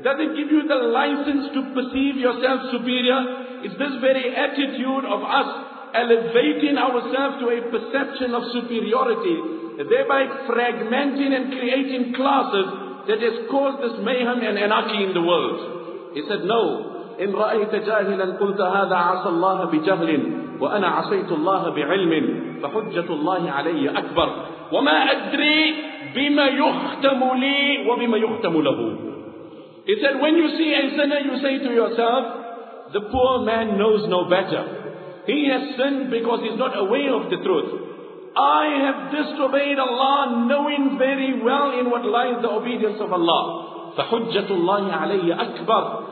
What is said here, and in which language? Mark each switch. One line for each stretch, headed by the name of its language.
English: Does it give you the license to perceive yourself superior? Is this very attitude of us elevating ourselves to a perception of superiority, thereby fragmenting and creating classes, that has caused this mayhem and anarchy in the world? He said, no.
Arabic: إن رأيت جاهلا قلت هذا عصى الله بجهل وأنا عصيت الله بعلم فحجة الله علي أكبر وما أدري بما يختم لي وبما يختم له.
English: He said, when you see a sinner, you say to yourself, the poor man knows no better. He has sinned because he's not aware of the truth. I have disobeyed Allah, knowing very well in what lies the obedience of Allah.
Arabic: فحجة الله علي أكبر.